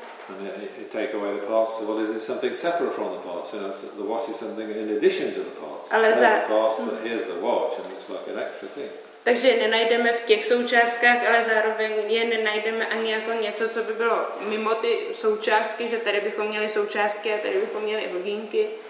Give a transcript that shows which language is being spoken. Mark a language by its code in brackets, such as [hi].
[en] And it take away the parts. So what is it? Something separate from the parts. You know, so the watch is something in addition to the parts. [cs] Ale za [en] the parts, but here's the watch, and it's like an extra thing. [cs] Takže nenajdeme v těch součástkách, ale zároveň je nenajdeme ani jako něco, co by bylo mimo ty součástky, že tady bychom měli součástky a tady bychom měli hodinky.